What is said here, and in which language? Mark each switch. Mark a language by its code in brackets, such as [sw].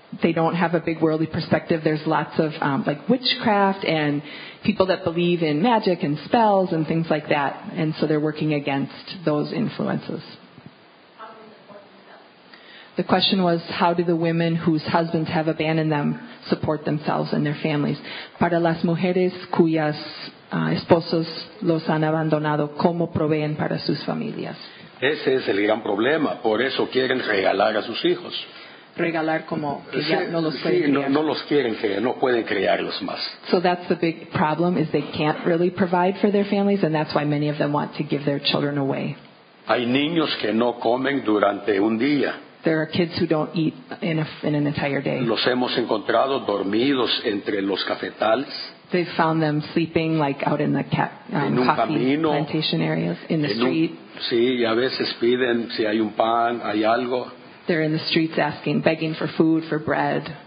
[en] They don't have a big worldly perspective. There's lots of like witchcraft and people that believe in magic and spells and things like that. And so they're working against those influences. The question was, how do the women whose husbands have abandoned them support themselves and their families? [es] Para las mujeres cuyas esposos los han abandonado, ¿cómo proveen para sus familias? Ese es el gran problema. Por eso quieren regalar a sus hijos. Regalar como que ya no los pueden criar. Sí, no los quieren criar, no pueden criarlos más. [en] So that's the big problem, is they can't really provide for their families, and that's why many of them want to give their children away. [es] Hay niños que no comen durante un día. [en] There are kids who don't eat in an entire day. [es] Los hemos encontrado dormidos entre los cafetales. [en] They found them sleeping like out in the plantation areas, in the street. [es] Sí, y a veces piden si hay un pan, hay algo. [en] They're in the streets asking, begging for food, for bread.